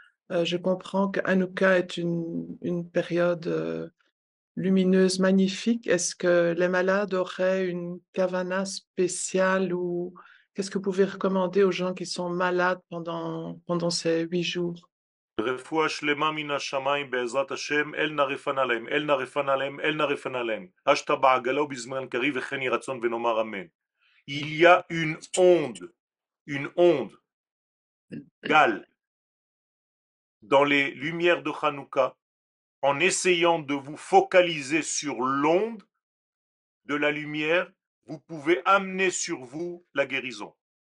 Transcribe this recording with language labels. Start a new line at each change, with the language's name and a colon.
French: Je comprends que Hanouka est une période lumineuse, magnifique. Est-ce que les malades auraient une kavana spéciale ou qu'est-ce que vous pouvez recommander aux gens qui sont malades pendant ces 8 jours?
Hebrew: רפואה שלמה מן השמיים בעזרת השם, אל נא רפנה להם, אל נא רפנה להם, אל נא רפנה להם.
Aramaic: אשתא בעגלא ובזמן קריב
Hebrew: וכן יהי רצון ונאמר אמן.
French: Il y a une onde, gal, dans les lumières de Hanouka, en essayant de vous focaliser sur l'onde de la lumière, vous pouvez amener sur vous la guérison.